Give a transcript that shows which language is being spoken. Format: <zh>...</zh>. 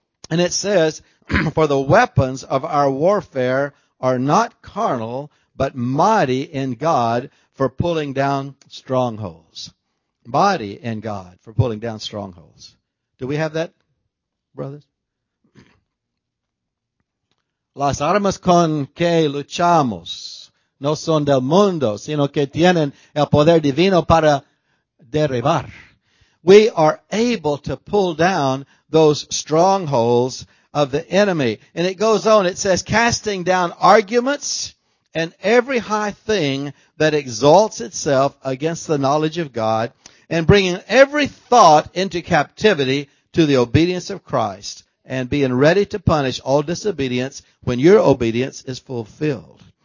<en>And it says, "For the weapons of our warfare are not carnal, but mighty in God for pulling down strongholds." Mighty in God for pulling down strongholds. Do we have that, brothers?</en> <es>Las armas con que luchamos no son del mundo, sino que tienen el poder divino para derribar.</es> <en>We are able to pull down those strongholds of the enemy. And it goes on, it says, "Casting down arguments and every high thing that exalts itself against the knowledge of God, and bringing every thought into captivity to the obedience of Christ, and being ready to punish all disobedience when your obedience is fulfilled."</en>